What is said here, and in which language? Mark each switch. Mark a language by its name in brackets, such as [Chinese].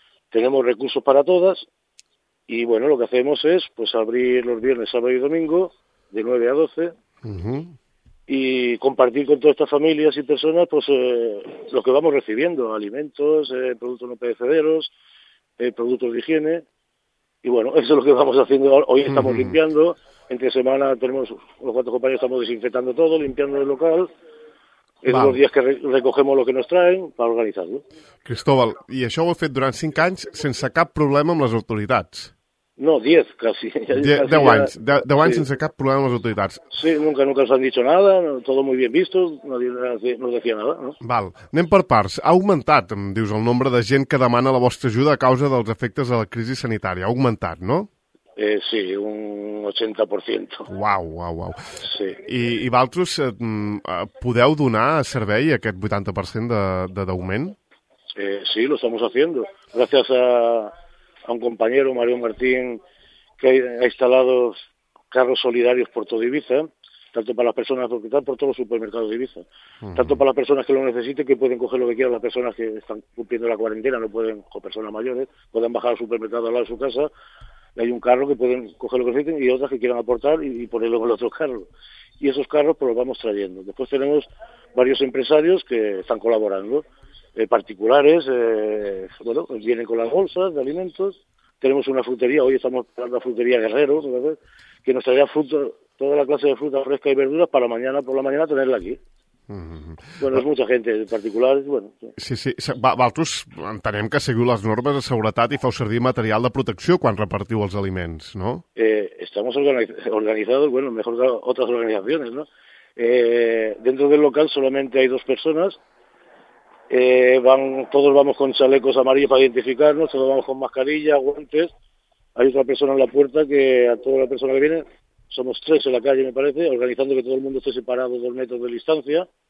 [Spanish] Tenemos recursos para todas. Y bueno, lo que hacemos es pues abrir los viernes, sábado y domingo, de 9 a 12, uh-huh, y compartir con todas estas familias y personas pues lo que vamos recibiendo, alimentos, productos no perecederos, productos de higiene, y bueno, eso es lo que vamos haciendo. Hoy estamos, uh-huh, limpiando, entre semana tenemos unos cuantos compañeros, estamos desinfectando todo, limpiando el local. Es los días que recogemos lo que nos traen para organizarlo. [Catalan] Cristóbal, ¿y això ho heu fet durant 5 anys sense cap problema amb les autoritats? [Spanish] No, 10, casi. [Catalan] 10 anys. 10 anys sense cap problema amb les autoritats. [Spanish] Sí, nunca nos han dicho nada, todo muy bien visto, nadie nos decía nada, ¿no? [Catalan] Val. Anem per parts. Ha augmentat, em dius, el nombre de gent que demana la vostra ajuda a causa dels efectes de la crisi sanitària. Ha augmentat, no? [Spanish] Sí, un 80%. Uau. Sí. [Catalan] I vosaltres podeu donar servei a aquest 80% d'augment? [Spanish] Sí, lo estamos haciendo. Gracias a un compañero, Mario Martín, que ha instalado carros solidarios por todo Ibiza, tanto para las personas que están por todos los supermercados de Ibiza, uh-huh, tanto para las personas que lo necesiten, que pueden coger lo que quieran, las personas que están cumpliendo la cuarentena, no pueden, o personas mayores, pueden bajar al supermercado al lado de su casa. Hay un carro que pueden coger lo que necesiten y otras que quieran aportar y ponerlo en el otro carro. Y esos carros pues los vamos trayendo. Después tenemos varios empresarios que están colaborando. Particulares, bueno, vienen con las bolsas de alimentos. Tenemos una frutería, hoy estamos en la frutería Guerrero, ¿sabes? Que nos traía fruta, toda la clase de fruta fresca y verduras para mañana por la mañana tenerla aquí. [Catalan] Mm-hmm. Bueno, és molta gent particular, bueno. [Spanish] Sí. [Catalan] Vosaltres entenem que seguiu les normes de seguretat i feu servir material de protecció quan repartiu els aliments, no? [Spanish] Estamos organizados, bueno, mejor que otras organizaciones, ¿no? Dentro del local solamente hay dos personas. Todos vamos con chalecos amarillos para identificarnos, todos vamos con mascarilla, guantes. Hay otra persona en la puerta que a toda la persona que viene. Somos tres en la calle, me parece, organizando que todo el mundo esté separado 2 metros de distancia.